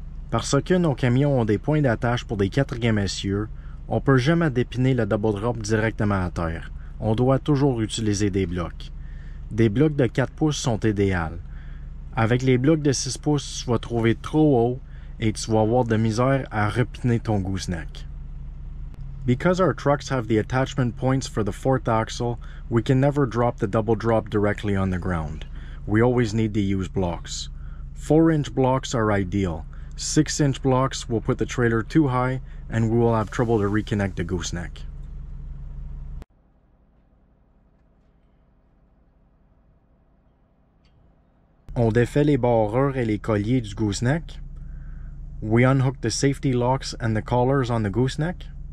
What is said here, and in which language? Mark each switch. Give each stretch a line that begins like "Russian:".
French: Parce que nos camions ont des points d'attache pour des quatrièmes essieux, on peut jamais dépiner le double drop directement à terre. On doit toujours utiliser des blocs. Des blocs de 4 pouces sont idéales. Avec les blocs de 6 pouces, tu vas trouver trop haut et tu vas avoir de misère à repiner ton gooseneck.
English: Because our trucks have the attachment points for the fourth axle, we can never drop the double drop directly on the ground. We always need to use blocks. 4-inch blocks are ideal. 6-inch blocks will put the trailer too high and we will have trouble to reconnect the gooseneck.
French: On défait les barreurs et les colliers du gooseneck.
English: We unhook the safety locks and the collars on the gooseneck.